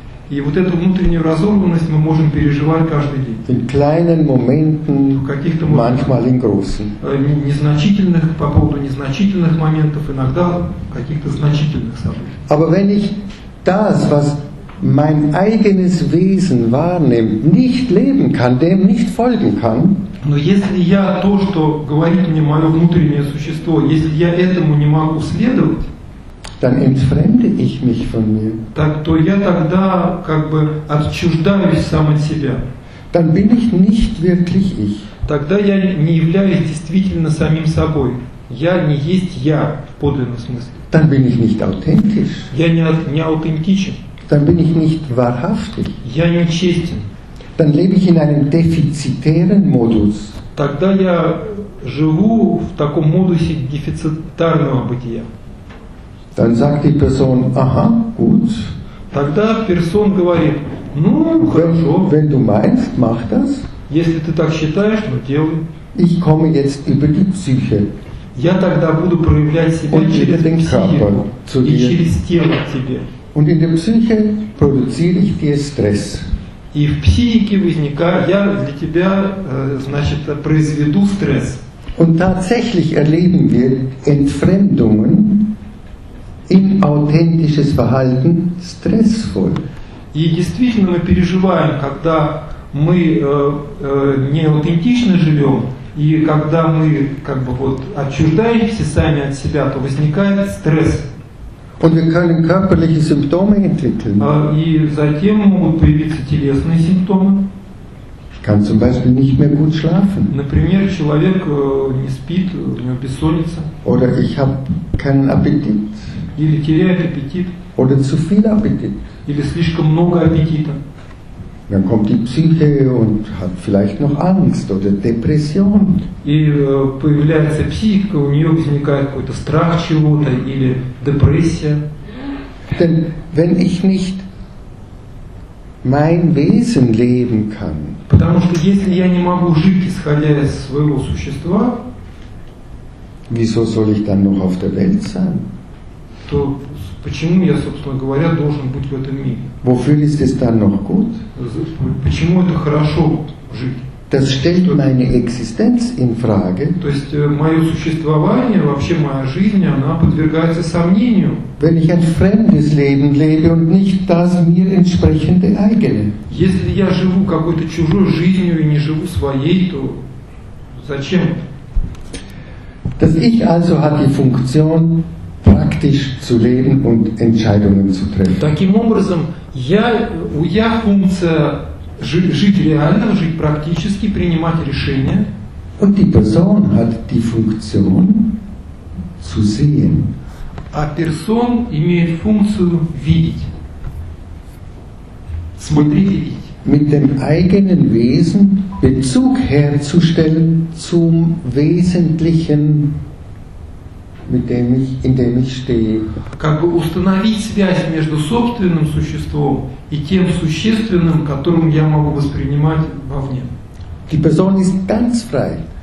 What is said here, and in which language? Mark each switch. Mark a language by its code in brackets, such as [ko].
[ru] И вот эту внутреннюю разорванность мы можем переживать каждый день. [de] In kleinen Momenten, [ru] в каких-то [de] manchmal in großen. [ru] Незначительных, по поводу незначительных моментов, иногда каких-то значительных событий. [de] Aber wenn ich das, was mein eigenes Wesen wahrnimmt, nicht leben kann, dem nicht folgen kann. [ru] Но если я то, что говорит мне мое внутреннее существо, если я этому не могу следовать, [de] dann entfremde ich mich von mir. [ru] Так то я тогда как бы отчуждаюсь сам от себя. [de] Dann bin ich nicht wirklich ich. [ru] Тогда я не являюсь действительно самим собой. Я не есть я в подлинном смысле. [de] Dann bin ich nicht authentisch. [ru] Я не аутентичен. [de] Dann bin ich nicht wahrhaftig. [ru] Я не честен. [de] Dann lebe ich in einem defizitären Modus. [ru] Тогда я живу в таком модусе дефицитарного бытия. [de] Dann sagt die Person, aha, gut. [ru] Тогда Person говорит, ну, хорошо. [de] Wenn du meinst, mach das. [ru] Если ты так считаешь, ну, делай. [de] Ich komme jetzt über die Psyche. [ru] Я тогда буду проявлять себя [de] und [ru] через [de] den Körper zu dir. [ru] И через тело тебе. [de] Und in der Psyche produziere ich dir Stress. [ru] И в психике возникает, я для тебя, значит, произведу стресс. [de] Und tatsächlich erleben wir Entfremdungen in authentisches Verhalten stressvoll. [ru] И действительно мы переживаем, когда мы неаутентично живем, и когда мы как бы вот отчуждаемся сами от себя, то возникает стресс. [de] Und wir können körperliche Symptome entwickeln. [ru] И затем могут появиться телесные симптомы. [de] Kann zum Beispiel nicht mehr gut schlafen. [ru] Например, человек не спит, у него бессонница. [de] Oder ich habe keinen Appetit. [ru] Или теряет аппетит. [de] Oder zu viel Appetit. [ru] Или слишком много аппетита. [de] Dann kommt die Psyche und hat vielleicht noch Angst oder Depression. [ru] И появляется психика, у нее возникает какой-то страх чего-то или депрессия. [de] Denn wenn ich nicht mein Wesen leben kann. [ru] Потому что если я не могу жить, исходя из своего существа, [de] wieso soll ich dann noch auf der Welt sein? [ru] То почему я, собственно говоря, должен быть в этом мире? [de] Wofür ist es dann noch gut? [ru] Почему это хорошо жить? [de] Das stellt meine Existenz in Frage. [ru] То есть мое существование, вообще моя жизнь, она подвергается сомнению. [de] Wenn ich ein fremdes Leben lebe und nicht das mir entsprechende eigene. [ru] Если я живу какой-то чужой жизнью и не живу своей, то зачем? [de] Das Ich also hat die Funktion, praktisch zu leben und Entscheidungen zu treffen. [ru] Таким образом, я функция жить реально, жить практически, принимать решения. [de] Und die Person hat die Funktion zu sehen. [ru] А персон имеет функцию видеть. Смотреть и видеть. [de] Mit dem eigenen Wesen Bezug herzustellen zum Wesentlichen, in dem ich stehe. [ru] Как бы установить связь между собственным существом и тем существенным, которым я могу воспринимать вовне. [de] Die Person ist ganz frei.